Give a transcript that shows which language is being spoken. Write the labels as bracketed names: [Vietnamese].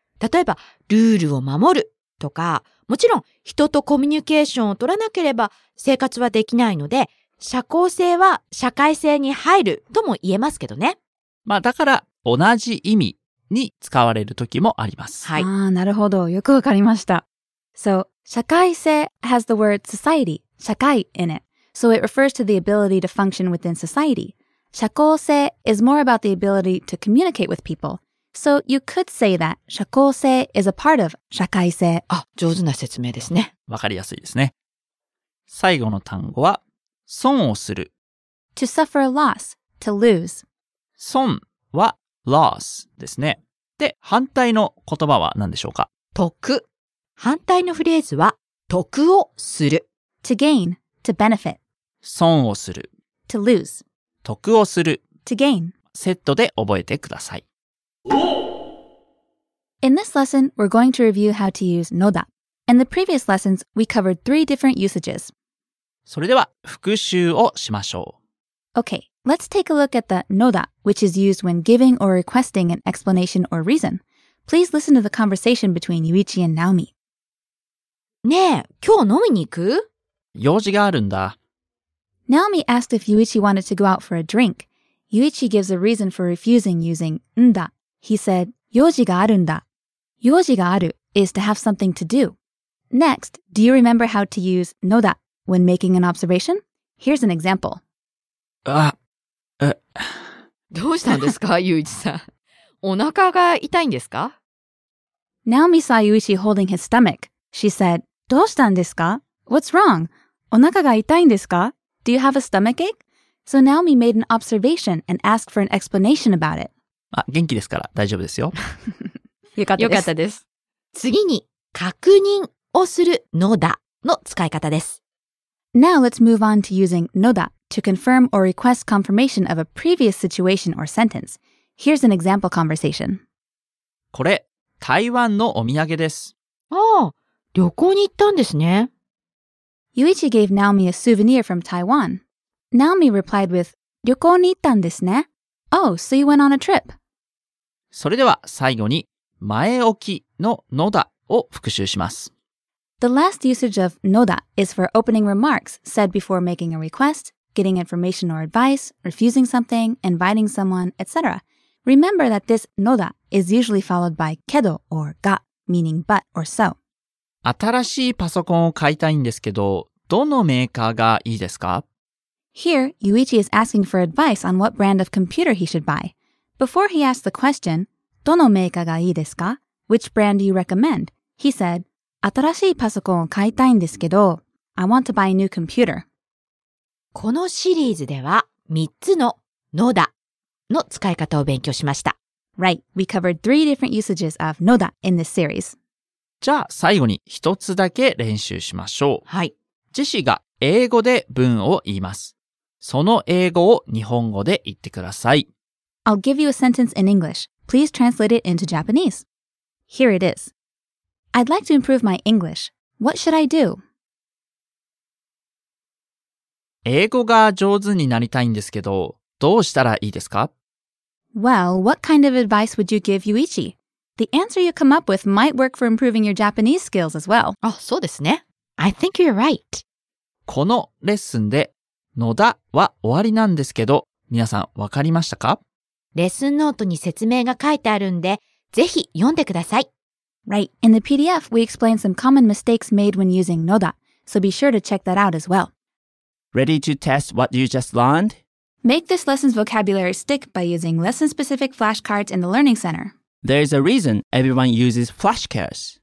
[Japanese] 例えば、ルールを守るとか、もちろん人とコミュニケーションを取らなければ生活はできないので、社交性は社会性に入るとも言えますけどね。まあだから同じ意味に使われる時もあります。はい。ああ、なるほど。よくわかりました。 [English] So, 社会性 has the word society, 社会 in it. So it refers to the ability to function within society. 社交性 is more about the ability to communicate with people. So you could say that 社交性 is a part of 社会性。 [Japanese] あ、上手な説明ですね。わかりやすいですね。最後の単語は損をする。 [English] To suffer a loss, to lose. [Japanese] 損は loss ですね。で、反対の言葉は何でしょうか？得。反対のフレーズは得をする。 [English] To gain, to benefit. [Japanese] 損をする。 [English] To lose. [Japanese] 得をする。 [English] To gain. [Japanese] セットで覚えてください。 [English] In this lesson, we're going to review how to use のだ. In the previous lessons, we covered three different usages. [Japanese] それでは復習をしましょう。 [English] Okay, let's take a look at the のだ, which is used when giving or requesting an explanation or reason. Please listen to the conversation between Yuichi and Naomi. [Japanese] ねえ、今日飲みに行く？用事があるんだ。 [English] Naomi asked if Yuichi wanted to go out for a drink. Yuichi gives a reason for refusing using んだ. He said, [Japanese] 用事があるんだ。用事がある [English] is to have something to do. Next, do you remember how to use のだ when making an observation? Here's an example. [Japanese] どうしたんですか、Yuichi さん。お腹が痛いんですか？ [English] Naomi saw Yuichi holding his stomach. She said, [Japanese] どうしたんですか？ [English] What's wrong? [Japanese] お腹が痛いんですか？ [English] Do you have a stomachache? So Naomi made an observation and asked for an explanation about it. [Japanese] あ、元気ですから大丈夫ですよ。よかったです。よかったです。次に、確認をするのだの使い方です。 [English] Now let's move on to using のだ to confirm or request confirmation of a previous situation or sentence. Here's an example conversation. [Japanese] これ、台湾のお土産です。ああ、旅行に行ったんですね。 [English] Yuichi gave Naomi a souvenir from Taiwan. Naomi replied with, [Japanese] 旅行に行ったんですね。 [English] Oh, so you went on a trip. [Japanese] それでは最後に、前置きののだを復習します。 [English] The last usage of のだ is for opening remarks said before making a request, getting information or advice, refusing something, inviting someone, etc. Remember that this のだ is usually followed by けど or が, meaning but or so. [Japanese] 新しいパソコンを買いたいんですけど、どのメーカーがいいですか？ [English] Here, Yuichi is asking for advice on what brand of computer he should buy. Before he asked the question, [Japanese] どのメーカーがいいですか？ [English] Which brand do you recommend? He said, [Japanese] 新しいパソコンを買いたいんですけど、 [English] I want to buy a new computer. [Japanese] このシリーズでは3つののだの使い方を勉強しました。 [English] Right, we covered three different usages of のだ in this series. [Japanese] じゃあ最後に一つだけ練習しましょう。はい。ジェシーが英語で文を言います。その英語を日本語で言ってください。 [English] I'll give you a sentence in English. Please translate it into Japanese. Here it is. I'd like to improve my English. What should I do? [Japanese] 英語が上手になりたいんですけど、どうしたらいいですか？ [English] Well, what kind of advice would you give Yuichi? The answer you come up with might work for improving your Japanese skills as well. [Japanese] あ、そうですね。 [English] I think you're right. [Japanese] このレッスンで、のだは終わりなんですけど、皆さんわかりましたか？レッスンノートに説明が書いてあるんで、ぜひ読んでください。 [English] Right. In the PDF, we explain some common mistakes made when using のだ. So be sure to check that out as well. Ready to test what you just learned? Make this lesson's vocabulary stick by using lesson-specific flashcards in the Learning Center. There is a reason everyone uses flashcards.